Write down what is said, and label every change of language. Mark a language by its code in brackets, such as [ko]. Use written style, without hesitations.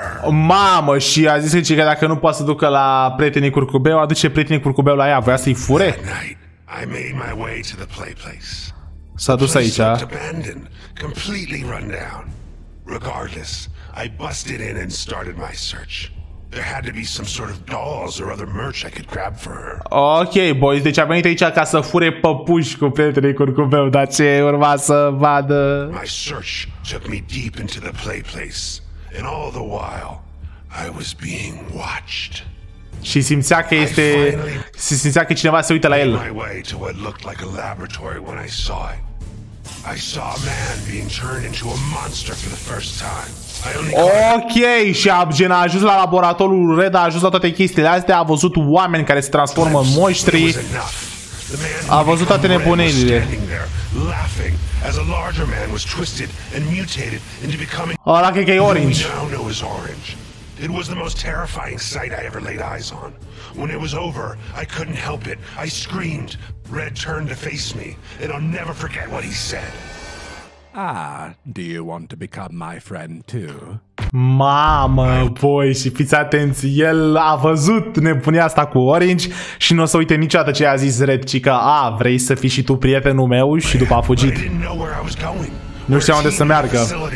[ro] Mamă, și a zis că dacă nu poate să ducă la prietenii curcubeu, aduce prietenii curcubeu la ea, voia să-i fure? [en] I made my way to the play place. [ro] S-a dus aici. [en] The place looked abandoned, completely run down. Regardless, I busted in and started my search. There had to be some sort of dolls or other merch I could grab for her. [ro] Ok, boys, deci a venit aici ca să fure păpuși cu prietenii curcubeu, dar ce urma să vadă? [en] My search took me deep into the play place, and all the while, I was being watched. [ro] Și simțea că este, se simțea că cineva se uită la el. [en] My way to what looked like a laboratory when I saw it. I saw a man being turned into a monster for the first time. [ro] Ok, și gen a ajuns la laboratorul Red, a ajuns la toate chestiile astea, a văzut oameni care se transformă în monștri. A văzut toate nebunelile. [en] Laughing as a larger man was twisted and mutated into becoming like orange. Now know as orange. It was the most terrifying sight I ever laid eyes on. When it was over, I couldn't help it. I screamed. Red turned to face me, and I'll never forget what he said. Ah, do you want to become my friend too? [ro] Mamă, voi, și fiți atenți, el a văzut nebunia asta cu Orange și nu o să uite niciodată ce a zis Red, ci că, a, vrei să fii și tu prietenul meu, și după a fugit. Nu știa unde să meargă.